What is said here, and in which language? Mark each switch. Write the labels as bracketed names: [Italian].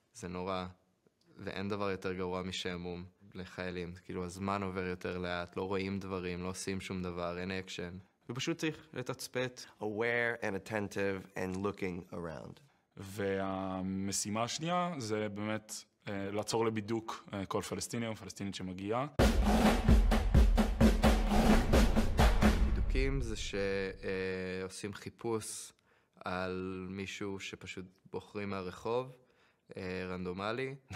[Hebrew] זה נורא, ואין דבר יותר גרוע משעמום לחיילים. כאילו הזמן עובר יותר לאט, לא רואים דברים, לא עושים שום דבר, אין אקשן. ופשוט צריך לתצפת. [English] Aware and attentive and looking around. [Hebrew] והמשימה השנייה זה באמת לעצור לבידוק כל פלסטיני או פלסטינית שמגיעה. זה שעושים חיפוש על מישהו שפשוט בוחרים מהרחוב, רנדומלי.